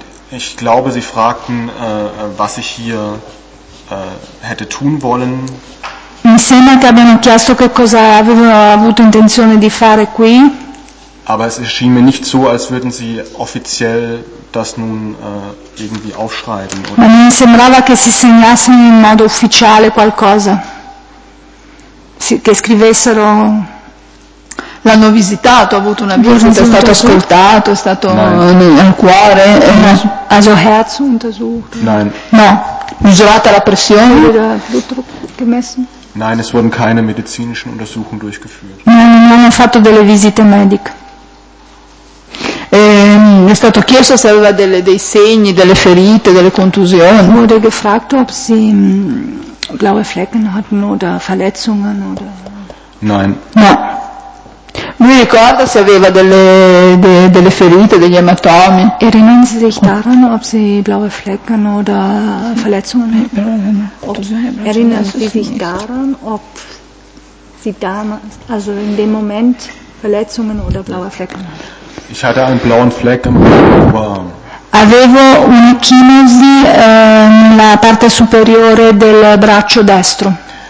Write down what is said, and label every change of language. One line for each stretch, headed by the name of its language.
German: ich glaube, Sie fragten, was ich hier hätte tun wollen.
Italian: Mi sembra che abbiano chiesto che cosa avevo avuto intenzione di fare qui.
German: Aber es erschien mir nicht so, als würden Sie offiziell das nun irgendwie aufschreiben. Oder?
Italian: Ma non sembrava che si segnassero in modo ufficiale qualcosa. Che scrivessero. L'hanno visitato, ha avuto una visita, è stato ascoltato, è stato al cuore.
German: Also Herz untersucht. Nein.
Italian: No. Misurata la pressione.
German: Oder Blutdruck gemessen. Nein, es wurden keine medizinischen Untersuchungen durchgeführt.
Italian: Non hanno fatto delle visite mediche. È stato chiesto se aveva dei segni, delle ferite, delle contusioni.
German: Wurde gefragt, ob sie blaue Flecken hatten oder Verletzungen oder. Nein.
Italian: No. Lui ricorda se aveva delle ferite, degli ematomi.
German: Erinnern Sie sich daran, ob Sie blaue Flecken oder Verletzungen hatten? Erinnern Sie sich daran, ob Sie damals, also in dem Moment, Verletzungen oder blaue Flecken hatten? Ich hatte einen blauen Fleck im Oberarm.
Italian: Avevo una chinesi nella parte superiore del braccio destro.